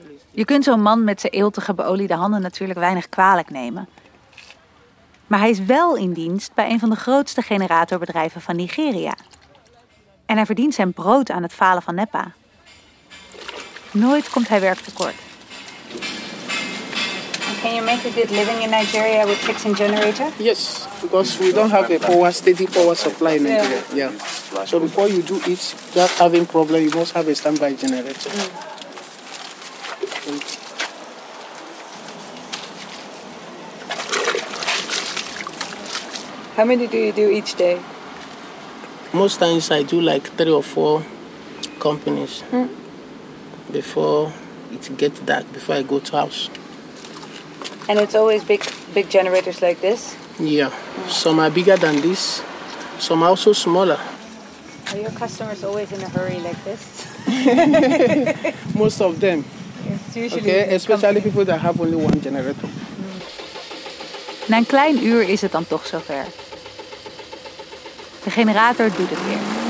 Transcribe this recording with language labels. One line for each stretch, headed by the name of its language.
Dutch: Je kunt zo'n man met zijn eeltige beoliede handen natuurlijk weinig kwalijk nemen. Maar hij is wel in dienst bij een van de grootste generatorbedrijven van Nigeria. En hij verdient zijn brood aan het falen van NEPA. Nooit komt hij werk tekort.
English: Can you make a good living in Nigeria with fixing generator? Yes, because we don't have a power, steady power supply in Nigeria. Yeah. Yeah. So before you do it, without having problem, you must have a standby generator. Mm. How many do you do each day? Most times I do like 3 or 4 companies before it gets dark, before I go to house. And it's always big generators like this? Yeah. Some are bigger than this. Some are also smaller. Are your customers always in a hurry like this? Most of them. It's okay, especially people that have only one generator.
Dutch: Na een klein uur is het dan toch zover. De generator doet het weer.